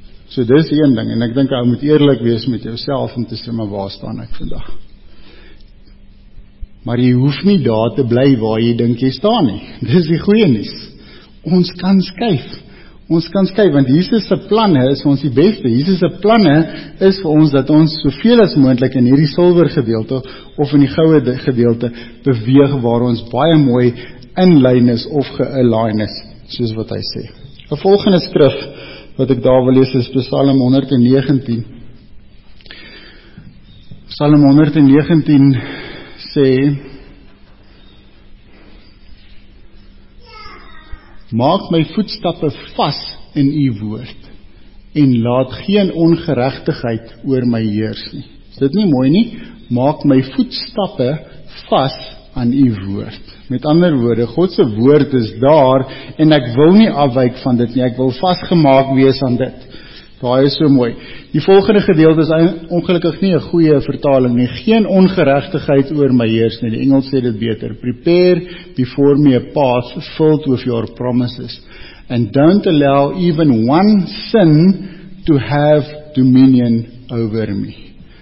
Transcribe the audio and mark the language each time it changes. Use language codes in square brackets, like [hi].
[af] So dis een ding, en ek dink jy moet eerlik wees met jouself om te sê, maar waar staan ek vandag? Maar jy hoef nie daar te bly waar jy dink jy staan nie. Dis die goeie nuus. Ons kan skuif. Ons kan skuif, want Jesus se planne is vir ons die beste. Jesus se planne is vir ons dat ons soveel as moontlik in hierdie silwer gedeelte of in die goue gedeelte beweeg waar ons baie mooi in lyn is of gealign is, soos wat hy sê. 'N Volgende skrif wat ek daar wil lees is Psalm 119. Psalm 119 sê, maak my voetstappe vas in u woord, en laat geen ongeregtigheid oor my heers nie. Is dit nie mooi nie? Maak my voetstappe vas aan u woord. Met ander woorde, God se woord is daar, en ek wil nie afwyk van dit nie, ek wil vasgemaak wees aan dit. Daai is so mooi. Die volgende gedeelte is ongelukkig nie 'n goeie vertaling nie. Geen ongeregtigheid oor my heers nie. Die Engels sê dit beter. [en] Prepare before me a path filled with your promises. And don't allow even one sin to have dominion over me.